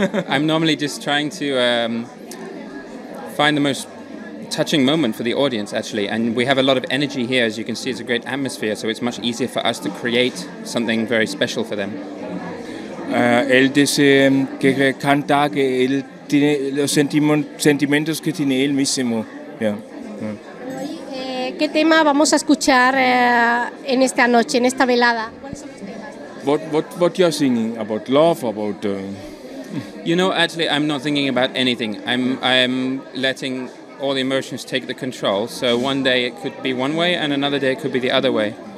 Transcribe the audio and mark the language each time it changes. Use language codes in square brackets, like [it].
[en] I'm normally just trying to find the most touching moment for the audience, actually. And we have a lot of energy here, as you can see, it's a great atmosphere, so it's much easier for us to create something very special for them. [es] Él dice que canta que él tiene los sentimientos que tiene él mismo. ¿Qué tema vamos a escuchar en esta noche, en esta velada? [en] What you're singing about love, about You know, actually I'm not thinking about anything. I'm letting all the emotions take the control. So one day it could be one way and another day it could be the other way.